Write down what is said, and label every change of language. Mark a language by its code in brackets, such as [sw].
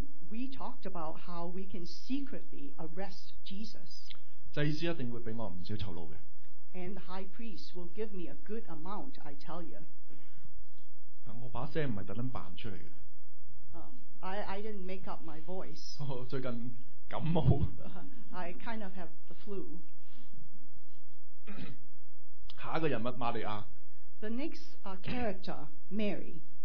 [en] We talked about how we can secretly arrest Jesus. [yue] 祭司一定會俾我唔少酬勞嘅。 [en] And the high priest will give me a good amount, I tell you. [yue] 我把聲唔係特登扮出嚟嘅。 [en] I didn't make up my voice. [yue] 最近感冒。 [en] I kind of have the flu. [yue] 下一個人物瑪利亞。 [en] The next character, Mary.